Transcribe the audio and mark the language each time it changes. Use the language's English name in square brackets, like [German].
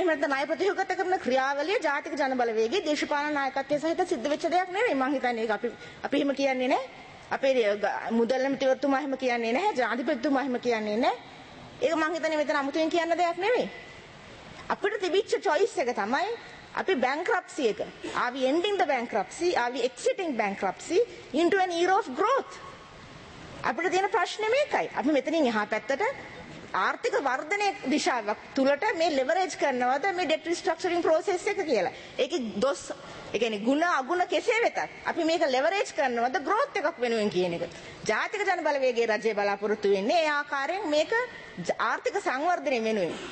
[Sinhala] එහෙම නැත්නම් ණය ප්‍රතිහුගත කරන ක්‍රියාවලිය ජාතික ජන බලවේගයේ දේශපාලන නායකත්වයේ සහිත සිද්ධ වෙච්ච දෙයක් නෙවෙයි. මං හිතන්නේ ඒක අපි එහෙම කියන්නේ නැහැ. අපේ මුදල් ඇමතිවරතුමා එහෙම කියන්නේ නැහැ. ජනාධිපතිතුමා එහෙම කියන්නේ නැහැ. ඒක මං හිතන්නේ මෙතන අමුතුවෙන් කියන්න දෙයක් නෙවෙයි. අපිට තිබිච්ච choice එක තමයි අපි bankruptcy එක. [English] Are we ending the bankruptcy? Are we exiting bankruptcy into an era of growth? [Sinhala] අපිට තියෙන ප්‍රශ්නේ මේකයි. අපි මෙතනින් එහා පැත්තට ආර්ථික වර්ධනයේ දිශාවක් තුලට මේ leverage කරනවද මේ debt restructuring process එක කියලා. ඒකේ දොස්, ඒ කියන්නේ ಗುಣ අගුණ කෙසේ වෙතත් අපි මේක leverage කරනවද growth එකක් වෙනුවෙන් කියන එක. ජාතික ජන බලවේගයේ රජයේ බලාපොරොත්තු වෙන්නේ ඒ ආකාරයෙන් මේක ආර්ථික සංවර්ධනය වෙනුවෙන්.